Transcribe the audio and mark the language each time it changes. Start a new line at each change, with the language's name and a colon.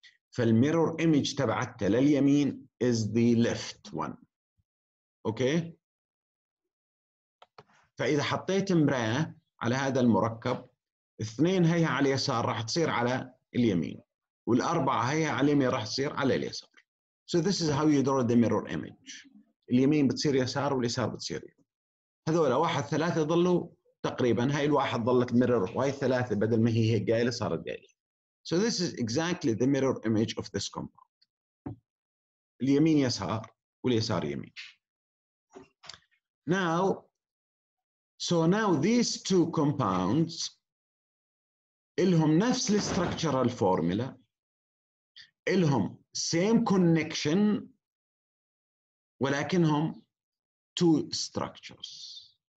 English: فالميرور ايمج
Arabic: تبعتها لليمين
English: is the left one.
Arabic: اوكي؟ فاذا حطيت مرآة على هذا المركب اثنين هيا على اليسار راح تصير على اليمين. والاربعة هيا على اليمين راح تصير على اليسار.
English: So this is how you draw the mirror image.
Arabic: اليمين بتصير يسار واليسار بتصير يمين. هذولا واحد ثلاثة ظلوا تقريبا، هاي الواحد ظلت ميرور وهي ثلاثة بدل ما هي قايلة صارت قايلة.
English: So this is exactly the mirror image of this compound.
Arabic: اليمين يسار واليسار يمين.
English: Now so now these two compounds
Arabic: إلهم نفس
English: الستركتشرال فورمولا، إلهم same connection ولكنهم two structures.